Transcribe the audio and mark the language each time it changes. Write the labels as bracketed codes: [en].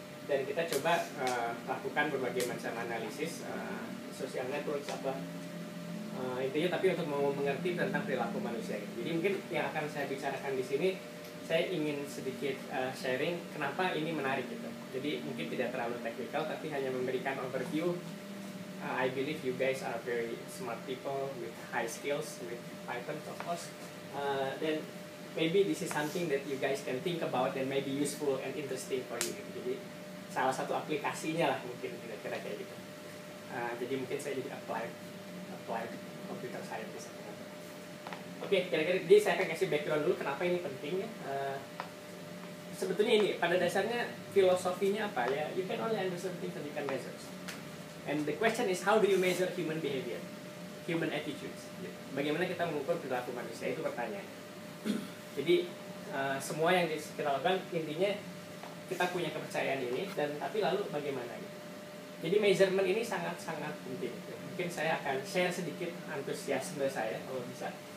[id] Dan kita coba lakukan berbagai macam analisis social networks apa intinya, tapi untuk mau mengerti tentang perilaku manusia. Jadi mungkin yang akan saya bicarakan di sini, saya ingin sedikit sharing kenapa ini menarik gitu. Jadi mungkin tidak terlalu teknikal, tapi hanya memberikan overview. [en] I believe you guys are very smart people with high skills with Python, of course. Then maybe this is something that you guys can think about and maybe useful and interesting for you. [id] Jadi salah satu aplikasinya lah mungkin kira-kira kayak gitu. Jadi mungkin saya jadi [en] applied computer scientist. [id] Oke, kira-kira jadi saya akan kasih background dulu kenapa ini penting ya. Sebetulnya ini pada dasarnya filosofinya apa ya? [en] You can only understand things that you can measure. And the question is how do you measure human behavior, human attitudes? [id] Bagaimana kita mengukur perilaku manusia itu pertanyaan. Jadi semua yang kita lakukan intinya kita punya kepercayaan ini dan tapi lalu bagaimana? Jadi measurement ini sangat-sangat penting. Mungkin saya akan share sedikit antusiasme saya kalau bisa.